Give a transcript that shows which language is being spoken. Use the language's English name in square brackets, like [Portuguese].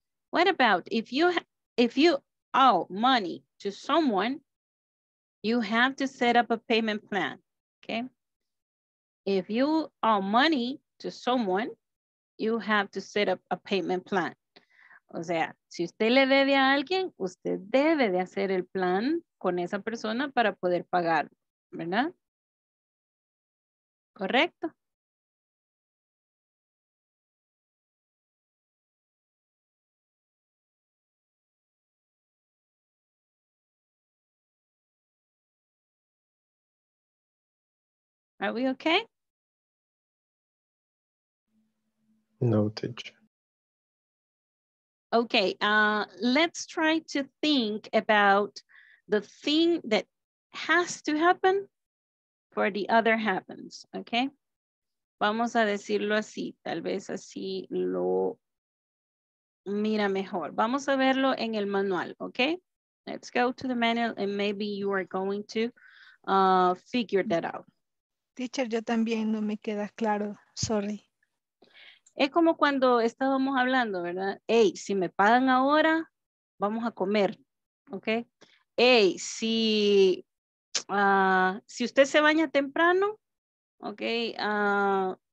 [English] What about if you owe money to someone, you have to set up a payment plan, okay? If you owe money to someone, you have to set up a payment plan. [Spanish] O sea, si usted le debe a alguien, usted debe de hacer el plan con esa persona para poder pagar, ¿verdad? ¿Correcto? [English] Are we okay? Noted. Okay, let's try to think about the thing that has to happen for the other happens, okay? [Spanish] Vamos a decirlo así, tal vez así lo mira mejor. Vamos a verlo en el manual, okay? [English] Let's go to the manual and maybe you are going to figure that out. [Spanish] Teacher, yo también no me queda claro, sorry. Es como cuando estábamos hablando, ¿verdad? Hey, si me pagan ahora, vamos a comer, ¿ok? Hey, si usted se baña temprano, ¿ok?